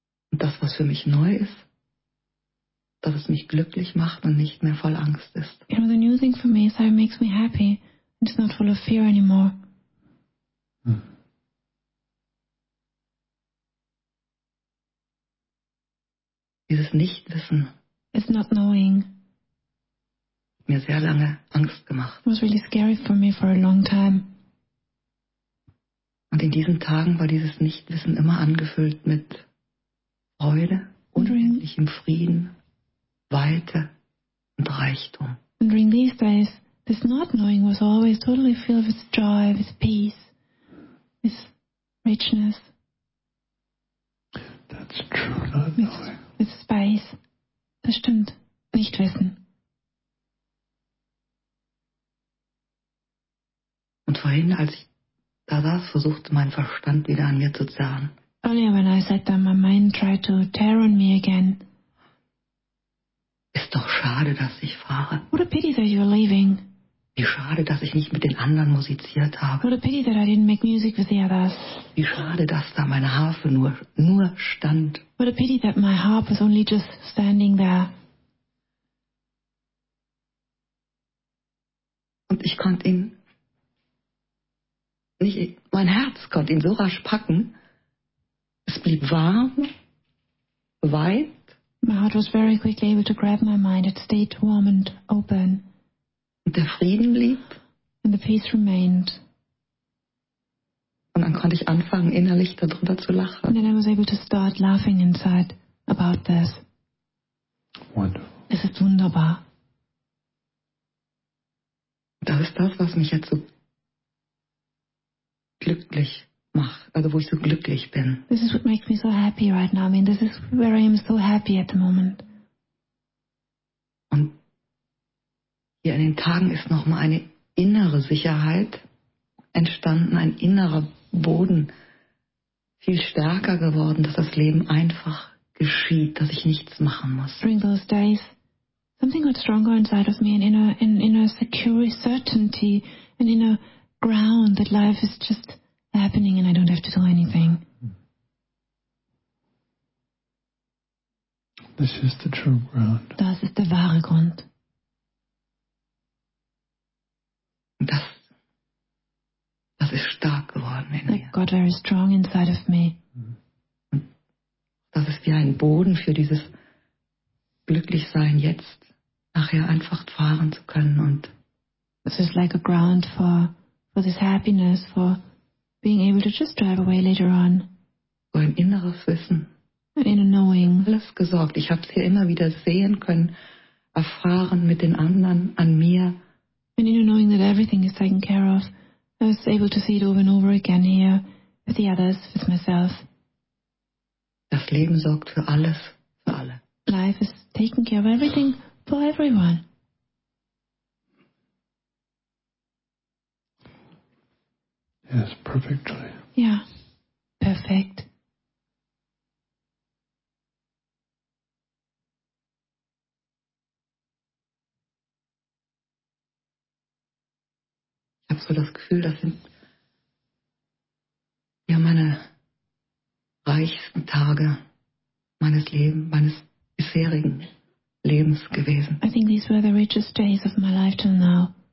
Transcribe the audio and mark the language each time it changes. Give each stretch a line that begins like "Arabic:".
German: Und das, was für mich neu ist, dass es mich glücklich macht und nicht mehr voll Angst ist.
English: You know, the new thing for me is that it makes me happy and it's not full of fear anymore.
German: Dieses Nichtwissen.
English: It's not knowing.
German: Mir sehr lange Angst gemacht.
English: It was really scary for me for a long time.
German: Und in diesen Tagen war dieses Nichtwissen immer angefüllt mit Freude, unendlichem Frieden, Weite und Reichtum.
English: And during these days, this not knowing was always totally filled with joy, with peace, with richness. That's true, not knowing. With space.
German: Das stimmt. Nichtwissen. Und vorhin, als ich da saß, versuchte mein Verstand wieder an mir zu zerren.
English: Earlier when I sat down, my mind tried to tear on me again.
German: Ist doch schade, dass ich fahre.
English: What a pity that you're leaving.
German: Wie schade, dass ich nicht mit den anderen musiziert habe.
English: What a pity that I didn't make music with the others.
German: Wie schade, dass da meine Harfe nur stand.
English: What a pity that my harp was only just standing there.
German: Und ich konnte ihn... mein Herz konnte ihn so rasch packen. Es blieb warm, weit.
English: My heart was very quickly able to grab my mind. It stayed warm and open.
German: Und der Frieden blieb.
English: And the peace remained.
German: Und dann konnte ich anfangen, innerlich darunter zu lachen.
English: And then I was able to start laughing inside about this. Wonderful.
German: Es ist wunderbar. Das ist das, was mich jetzt so glücklich macht, also wo ich so glücklich bin.
English: This is what makes me so happy right now. I mean, this is where I am so happy at the moment.
German: Und hier in den Tagen ist nochmal eine innere Sicherheit entstanden, ein innerer Boden viel stärker geworden, dass das Leben einfach geschieht, dass ich nichts machen muss.
English: During those days, something got stronger inside of me, in a secure certainty, and in a ground that life is just happening and I don't have to do anything. This is the true ground.
German: Das ist der wahre Grund. Das ist stark geworden in mir.
English: It got very strong inside of me.
German: Das ist wie ein Boden für dieses Glücklichsein jetzt nachher einfach fahren zu können und
English: this is like a ground for this happiness, for being able to just drive away later on.
German: So ein inneres Wissen.
English: An inner knowing.
German: Alles gesorgt. Ich habe es hier immer wieder sehen können, erfahren mit den anderen, an mir.
English: An inner knowing that everything is taken care of. I was able to see it over and over again here, with the others, with myself.
German: Das Leben sorgt für alles, für alle.
English: Life is taking care of everything for everyone. Yes, perfectly. Yeah, perfect.
German: Ich habe so das Gefühl, das sind ja meine reichsten Tage meines bisherigen Lebens gewesen.
English: I think these were the richest days of my life till now.